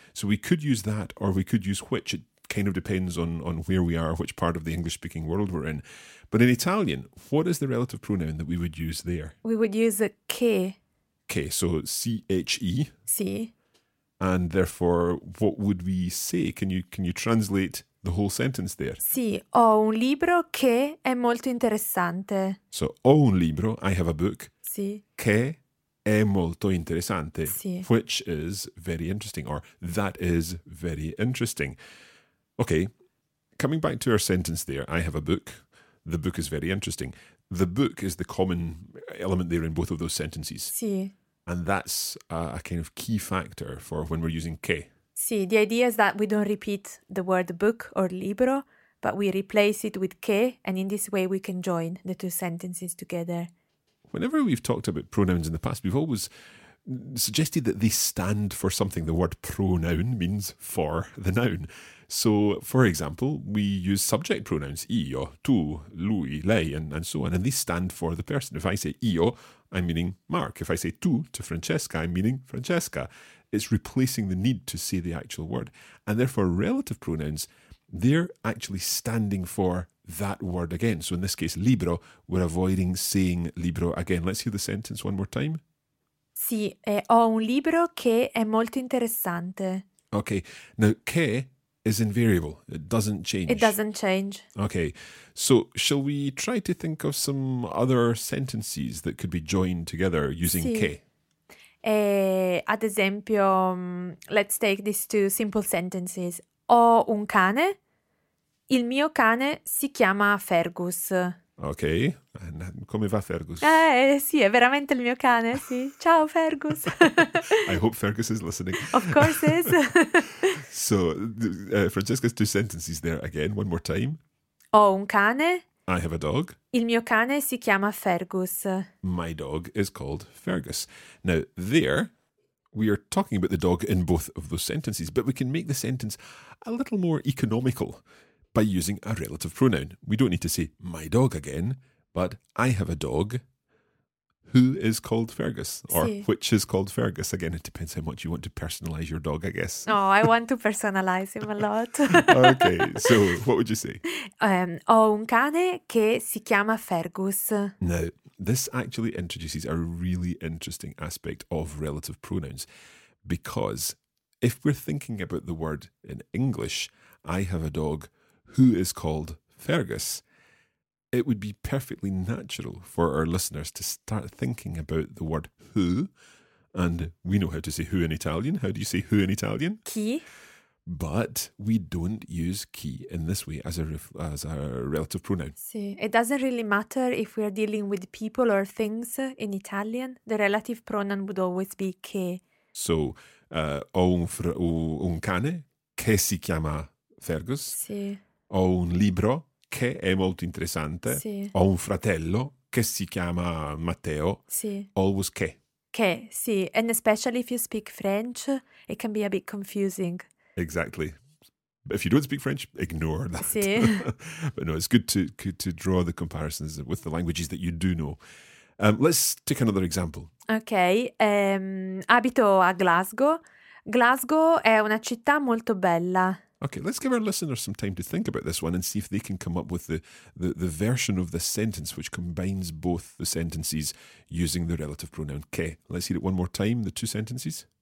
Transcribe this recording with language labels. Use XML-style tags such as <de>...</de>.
<en>So we could use that, or we could use which. It kind of depends on where we are, which part of the English-speaking world we're in. But in Italian, what is the relative pronoun that we would use there? We would use a che. Che, so C-H-E.</en> <it>Sì.</it> <en>And therefore, what would we say? Can you translate the whole sentence there?</en> <it>Sì, ho un libro che è molto interessante.</it> <en>So,</en> <it>ho un libro,</it> <en>I have a book.</en> <it>Sì. Che è molto interessante. Sì.</it> <en>Which is very interesting, or that is very interesting. Okay, coming back to our sentence there, I have a book, the book is very interesting. The book is the common element there in both of those sentences.</en> <it>Sì.</it> <en>And that's a kind of key factor for when we're using che. Sì, the idea is that we don't repeat the word book or libro, but we replace it with che, and in this way we can join the two sentences together. Whenever we've talked about pronouns in the past, we've always suggested that they stand for something. The word pronoun means for the noun. So, for example, we use subject pronouns, io, tu, lui, lei, and so on, and they stand for the person. If I say io, I'm meaning Mark. If I say tu to Francesca, I'm meaning Francesca. It's replacing the need to say the actual word. And therefore, relative pronouns, they're actually standing for that word again. So in this case, libro, we're avoiding saying libro again. Let's hear the sentence one more time.</en> <it>Sì, ho un libro che è molto interessante.</it> <en>Okay, now che is invariable. It doesn't change. It doesn't change. Okay, so shall we try to think of some other sentences that could be joined together using</en> <it>sì. Che? Ad esempio,</it> <en>let's take these two simple sentences.</en> <it>Ho un cane. Il mio cane si chiama Fergus. Ok, come va Fergus? Sì, è veramente il mio cane, sì. Ciao Fergus.</it> <en>I hope Fergus is listening. Of course he is. So, Francesca's two sentences there again, one more time.</en> <it>Ho un cane.</it> <en>I have a dog.</en> <it>Il mio cane si chiama Fergus.</it> <en>My dog is called Fergus. Now, there, we are talking about the dog in both of those sentences, but we can make the sentence a little more economical by using a relative pronoun. We don't need to say my dog again, but I have a dog who is called Fergus, or</en> <it>sí,</it> <en>which is called Fergus. Again, it depends how much you want to personalize your dog, I guess. Oh, I want to personalize him a lot. Okay, so what would you say?</en> <it>Ho un cane che si chiama Fergus.</it> <en>Now, this actually introduces a really interesting aspect of relative pronouns, because if we're thinking about the word in English, I have a dog who is called Fergus, it would be perfectly natural for our listeners to start thinking about the word who, and we know how to say who in Italian. How do you say who in Italian?</en> <it>Chi.</it> <en>But we don't use chi in this way as a relative pronoun. Sì, it doesn't really matter if we are dealing with people or things in Italian. The relative pronoun would always be che.</en> <it>So, ho un cane che si chiama Fergus. Sì. Ho un libro che è molto interessante. Sì. Ho un fratello che si chiama Matteo. Sì.</it> <en>Always che.</en> <it>Che, sì.</it> <en>And especially if you speak French, it can be a bit confusing. Exactly. If you don't speak French, ignore that.</en> <it>Sì.</it> <en>But no, it's good to draw the comparisons with the languages that you do know. Let's take another example.</en> <it>Okay. Abito a Glasgow. Glasgow è una città molto bella.</it> <en>Okay, let's give our listeners some time to think about this one and see if they can come up with the version of the sentence which combines both the sentences using the relative pronoun che. Let's hear it one more time, the two sentences.</en>